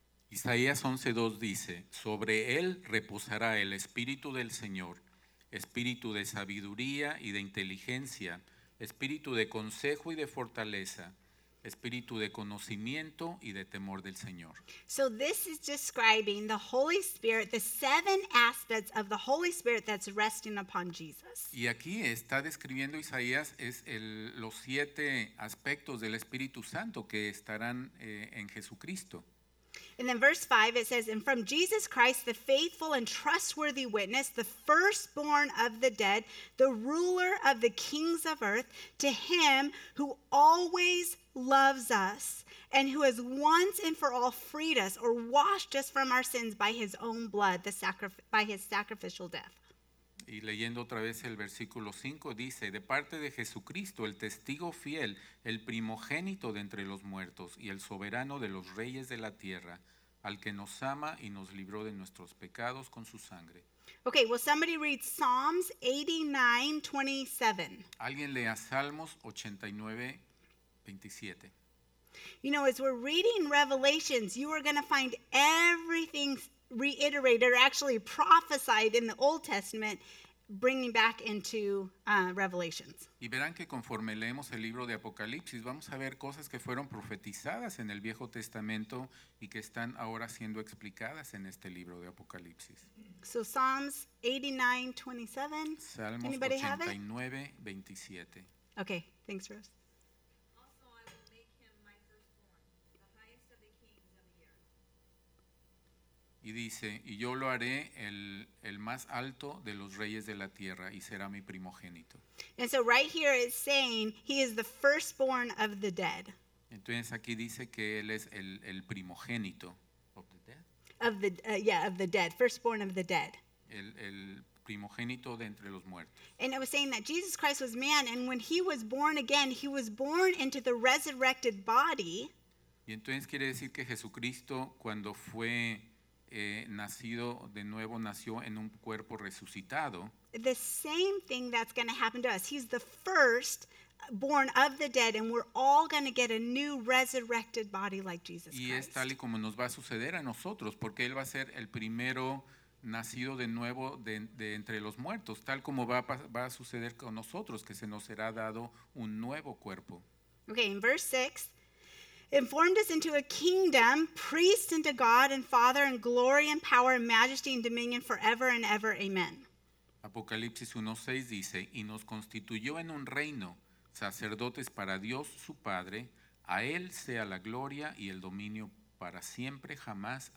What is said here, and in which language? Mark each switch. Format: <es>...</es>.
<es>Isaías 11:2 dice, sobre él reposará el Espíritu del Señor, Espíritu de sabiduría y de inteligencia, Espíritu de consejo y de fortaleza, Espíritu de conocimiento y de temor del Señor.</es> <en>So this is describing the Holy Spirit, the seven aspects of the Holy Spirit that's resting upon Jesus.</en> <es>Y aquí está describiendo Isaías es el, los siete aspectos del Espíritu Santo que estarán en Jesucristo.</es> <en>And then verse 5, it says, and from Jesus Christ, the faithful and trustworthy witness, the firstborn of the dead, the ruler of the kings of earth, to him who always loves us and who has once and for all freed us or washed us from our sins by his own blood, by his sacrificial death.</en> <es>Y leyendo otra vez el versículo 5, dice, de parte de Jesucristo, el testigo fiel, el primogénito de entre los muertos y el soberano de los reyes de la tierra, al que nos ama y nos libró de nuestros pecados con su sangre.</es> <en>Okay, will somebody read Psalms 89:27?</en> <es>Alguien lea Salmos 89:27.</es> <en>You know, as we're reading Revelations, you are going to find everything reiterated or actually prophesied in the Old Testament, bringing back into Revelations.</en> <es>Y verán que conforme leemos el libro de Apocalipsis, vamos a ver cosas que fueron profetizadas en el Viejo Testamento y que están ahora siendo explicadas en este libro de Apocalipsis.</es> <en>So Psalms 89:27.</en> <es>Salmos 89:27.</es> <en>Okay, thanks, Rose.</en> <es>Y dice, y yo lo haré el más alto de los reyes de la tierra y será mi primogénito.</es> <en>And so right here it's saying he is the firstborn of the dead.</en> <es>Entonces aquí dice que él es el primogénito</es> <en>of the dead. Of the dead, firstborn of the dead.</en> <es>El primogénito de entre los muertos.</es> <en>And it was saying that Jesus Christ was man, and when he was born again, he was born into the resurrected body.</en> <es>Y entonces quiere decir que Jesucristo cuando fue nacido de nuevo, nació en un cuerpo resucitado.</es> <en>The same thing that's going to happen to us. He's the first born of the dead, and we're all going to get a new resurrected body like Jesus Christ.</en> <es>Y es tal y como nos va a suceder a nosotros, porque él va a ser el primero nacido de nuevo de entre los muertos, tal como va a suceder con nosotros, que se nos será dado un nuevo cuerpo.</es> <en>Okay, in verse 6. And formed us into a kingdom, priests unto God and Father, and glory and power and majesty and dominion forever and ever. Amen.</en> <es>Apocalipsis 1:6 dice, y nos constituyó en un reino, sacerdotes para Dios su Padre, a él sea la gloria y el dominio para siempre jamás.</es>